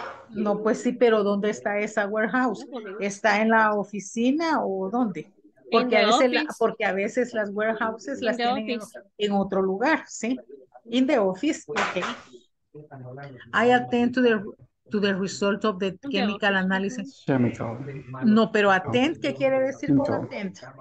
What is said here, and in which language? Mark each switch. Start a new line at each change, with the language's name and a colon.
Spanish: No, pues sí, pero ¿dónde está esa warehouse? ¿Está en la oficina o dónde? Porque a veces, porque a veces las warehouses las tienen en otro lugar, ¿sí?
English: In the office, okay. I attend to the result of the chemical analysis. Chemical.
Spanish: No, pero attend, ¿qué quiere decir con attend?